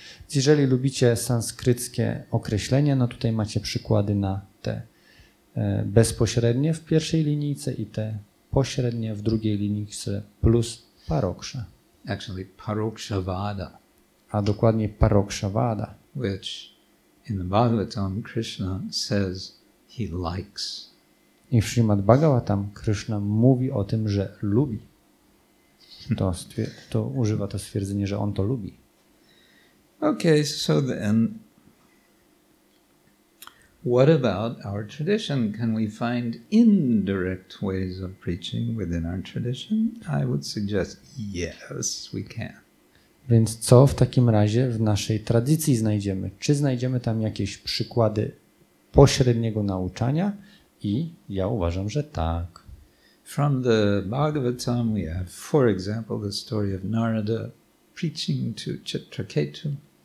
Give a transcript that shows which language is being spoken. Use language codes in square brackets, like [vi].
[pl] Jeżeli lubicie sanskryckie określenia, no tutaj macie przykłady na te bezpośrednie w pierwszej linijce i te pośrednie w drugiej linijce plus paroksha. [en] Actually parokshavada. [pl] A dokładnie parokshavada. [en] Which in the Bhagavatam Krishna says he likes. [pl] I w Śrimad Bhagavatam Krishna mówi o tym, że lubi. To używa to stwierdzenie, że on to lubi. [en] Okay, so then what about our tradition? Can we find indirect ways of preaching within our tradition? I would suggest yes, we can. [pl] Więc co w takim razie w naszej tradycji znajdziemy? Czy znajdziemy tam jakieś przykłady pośredniego nauczania? I ja uważam, że tak. [en] From the Bhagavatam we have, for example, the story of Narada preaching to Chitraketu.